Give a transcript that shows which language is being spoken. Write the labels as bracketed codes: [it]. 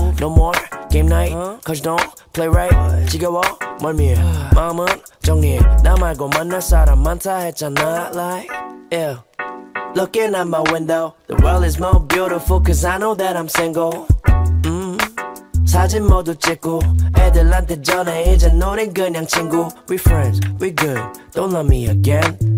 [en] No more game night, cause you don't play right. [ko] 지겨워, 멀미해, 마음은 정리해. 나 말고 만날 사람 많다 했잖아. [en] Like, yeah. Looking at my window, the world is more beautiful, cause I know that I'm single. [ko] 사진 모두 찍고 애들한테 전해 이제 너네 그냥 친구. [en] We friends, we good, don't love me again.